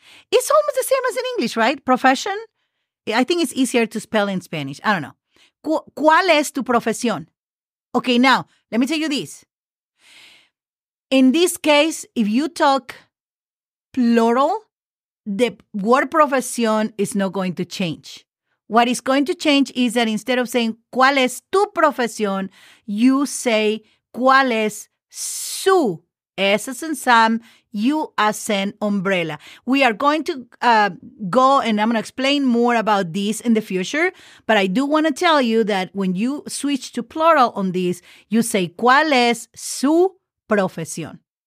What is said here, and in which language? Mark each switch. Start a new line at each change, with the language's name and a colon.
English: It's almost the same as in English, right? Profession? I think it's easier to spell in Spanish. I don't know.
Spanish: ¿Cuál es tu profesión?
English: Okay, now, let me tell you this. In this case, if you talk plural, the word profesión is not going to change. What is going to change is that instead of saying
Spanish: ¿cuál es tu profesión?,
English: you say
Spanish: ¿cuál es su?
English: S as in Sam, U as in umbrella. We are going to go, and I'm going to explain more about this in the future, but I do want to tell you that when you switch to plural on this, you say
Spanish: ¿cuál es su profesión?